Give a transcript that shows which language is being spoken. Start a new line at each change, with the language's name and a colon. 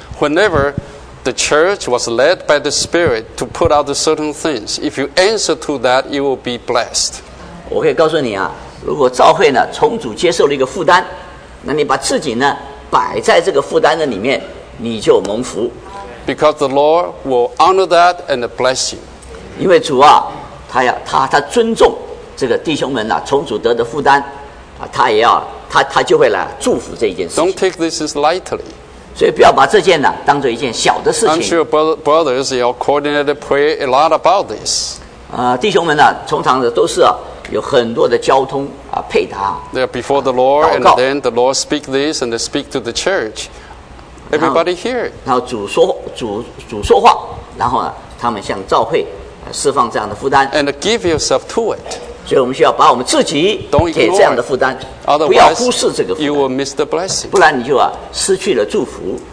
English: Whenever the church was led by the Spirit to put out certain things, if you answer to that, you will be blessed.
Chinese: 我可以告诉你，如果召会重组接受了一个负担，那你把自己呢， 摆在这个负担的里面，你就蒙福。
English: Because the Lord will honor that and bless you.
Chinese: 因为主啊，他尊重这个弟兄们重组得的负担，他就会来祝福这件事情。
English: Don't take this lightly.
Chinese: 所以不要把这件呢、啊、当做一件小的事情。
English: I'm sure brothers you coordinate pray a lot about this.
Chinese: 弟兄们呢、啊，通常的都是、啊、有很多的交通啊，配搭。
English: They're before the Lord, and then the Lord speak this and they speak to the church. Everybody hear.
Chinese: 然后主说话，然后呢、啊，他们向教会、啊、释放这样的负担。
English: And give yourself to it.
Chinese: 所以我们需要把我们自己给这样的负担。
English: Otherwise,
Chinese: 不要忽视这个负担。
English: You will miss the blessing.
Chinese: 不然你就、啊、失去了祝福。